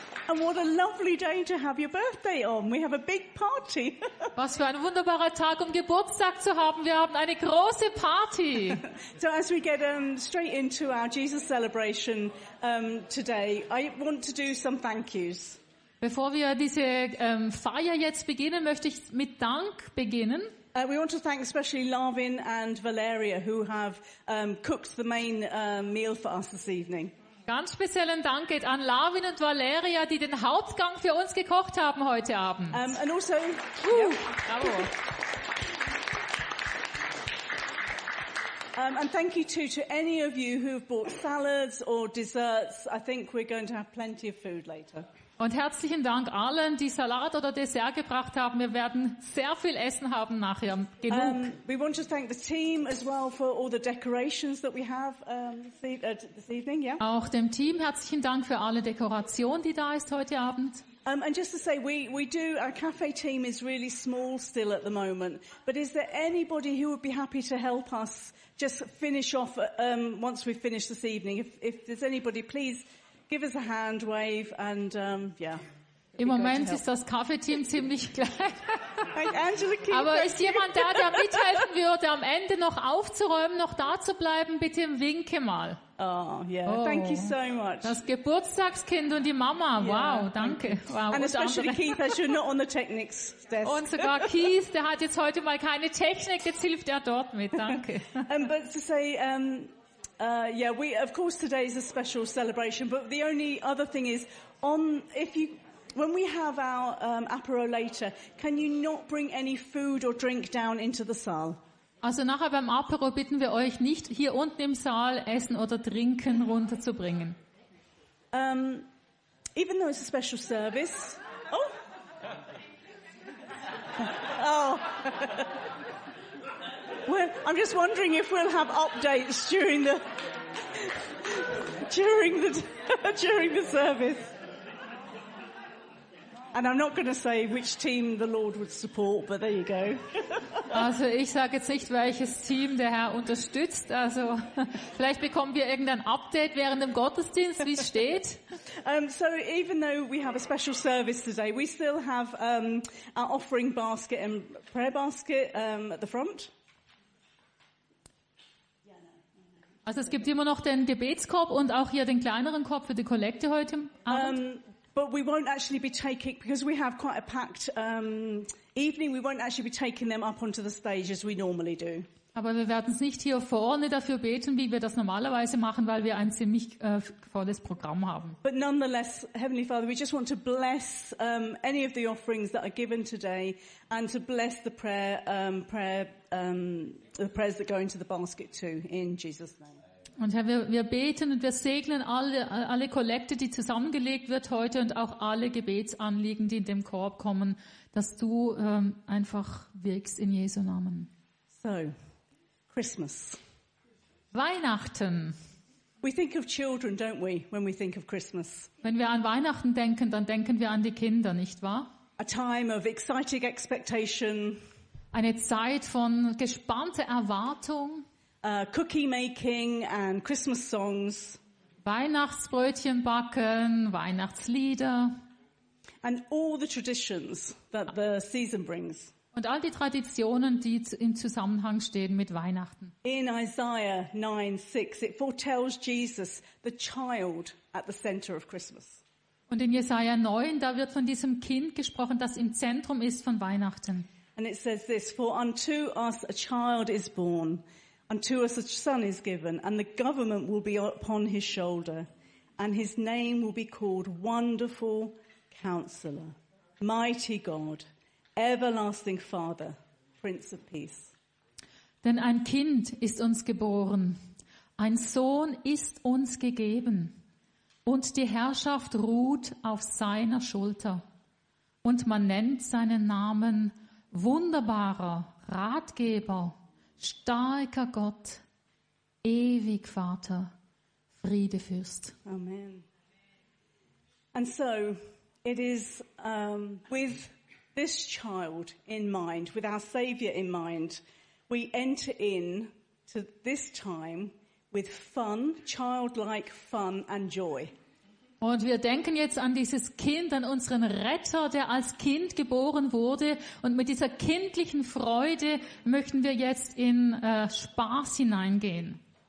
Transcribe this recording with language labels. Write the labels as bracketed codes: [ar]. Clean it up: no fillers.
[en] What a lovely day to have your birthday on. We have a big party. [de] Was für ein wunderbarer Tag, um Geburtstag zu haben. Wir haben eine große Party. [en] So as we get straight into our Jesus celebration today, I want to do some thank yous. [de] Bevor wir diese Feier jetzt beginnen, möchte ich mit Dank beginnen. [en] We want to thank especially Larvin and Valeria, who have cooked the main meal for us this evening. [de] Ganz speziellen Dank geht an Larvin und Valeria, die den Hauptgang für uns gekocht haben heute Abend. [en] And also, yeah. Bravo. And thank you to any of you who have bought salads or desserts. I think we're going to have plenty of food later. [de] Und herzlichen Dank allen, die Salat oder Dessert gebracht haben. Wir werden sehr viel Essen haben nachher. Genug. [en] We want to thank the team as well for all the decorations that we have this evening. Yeah. [de] Auch dem Team herzlichen Dank für alle Dekoration, die da ist heute Abend. [en] And just to say, we do, our cafe team is really small still at the moment. But is there anybody who would be happy to help us just finish off once we finish this evening? If there's anybody, please give us a hand wave and [de] Im Moment ist das Kaffeeteam ziemlich klein. [en] Like [de] aber ist jemand da, der mithelfen würde, am Ende noch aufzuräumen, noch da zu bleiben? Bitte winke mal. [en] Oh, yeah. Oh. Thank you so much. [de] Das Geburtstagskind und die Mama. Yeah, wow, danke. Wow, [en] and especially Keith, as you're not on the technics desk. [de] Und sogar Keith, der hat jetzt heute mal keine Technik, jetzt hilft er dort mit. Danke. [en] But to say, we of course today is a special celebration, but the only other thing is when we have our apéro later, can you not bring any food or drink down into the Saal? [de] Also nachher beim Apéro bitten wir euch nicht hier unten im Saal Essen oder Trinken runterzubringen. [en] Even though it's a special service. Oh. Well, I'm just wondering if we'll have updates during the during the service. And I'm not going to say which team the Lord would support, but there you go. [de] Also, ich sage jetzt nicht, welches Team der Herr unterstützt. Also, vielleicht bekommen wir irgendein Update während dem Gottesdienst, wie es steht. [en] So, even though we have a special service today, we still have our offering basket and prayer basket at the front. [de] Also, es gibt immer noch den Gebetskorb und auch hier den kleineren Korb für die Kollekte heute Abend. [en] But we won't actually be taking, because we have quite a packed evening, we won't actually be taking them up onto the stage as we normally do. [de] Aber wir werden es nicht hier vorne dafür beten, wie wir das normalerweise machen, weil wir ein ziemlich volles Programm haben. [en] But nonetheless, Heavenly Father, we just want to bless any of the offerings that are given today and to bless the prayer, the prayers that go into the basket too, in Jesus' name. [de] Und Herr, wir beten und wir segnen alle Kollekte, die zusammengelegt wird heute und auch alle Gebetsanliegen, die in dem Korb kommen, dass du einfach wirkst in Jesu Namen. [en] So, Christmas. [de] Weihnachten. [en] We think of children, don't we, when we think of Christmas. [de] Wenn wir an Weihnachten denken, dann denken wir an die Kinder, nicht wahr? [en] A time of exciting expectation. [de] Eine Zeit von gespannter Erwartung. [en] Cookie making and Christmas songs. [de] Weihnachtsbrötchen backen, Weihnachtslieder. [en] And all the traditions that the season brings. [de] Und all die Traditionen, die im Zusammenhang stehen mit Weihnachten. [en] In Isaiah 9:6, it foretells Jesus, the child at the center of Christmas. [de] Und in Jesaja 9, da wird von diesem Kind gesprochen, das im Zentrum ist von Weihnachten. [en] And it says this, for unto us a child is born. Unto us a son is given, and the government will be upon his shoulder, and his name will be called Wonderful Counselor, Mighty God, Everlasting Father, Prince of Peace. [de] Denn ein Kind ist uns geboren, ein Sohn ist uns gegeben, und die Herrschaft ruht auf seiner Schulter, und man nennt seinen Namen Wunderbarer Ratgeber, starker Gott, ewig Vater, Friedefürst. [en] Amen. And so it is with this child in mind, with our Savior in mind, we enter in to this time with fun, childlike fun and joy. [de] Und wir denken jetzt an dieses Kind, an unseren Retter, der als Kind geboren wurde. Und mit dieser kindlichen Freude möchten wir jetzt in Spaß hineingehen.